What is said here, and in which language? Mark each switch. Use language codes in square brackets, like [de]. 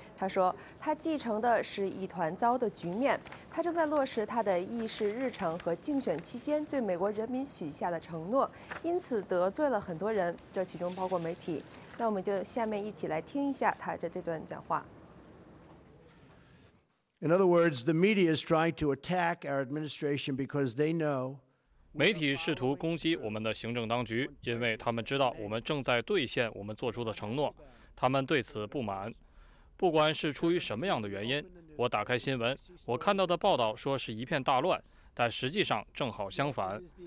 [zh] 他说，他继承的是一团糟的局面，他正在落实他的议事日程和竞选期间对美国人民许下的承诺，因此得罪了很多人，这其中包括媒体。那我们就下面一起来听一下他的这段讲话。 [en] In other words, the media is trying to attack our administration because they know. [zh] 媒体试图攻击我们的行政当局，因为他们知道我们正在兑现我们做出的承诺，他们对此不满。不管是出于什么样的原因，我打开新闻，我看到的报道说是一片大乱，但实际上正好相反。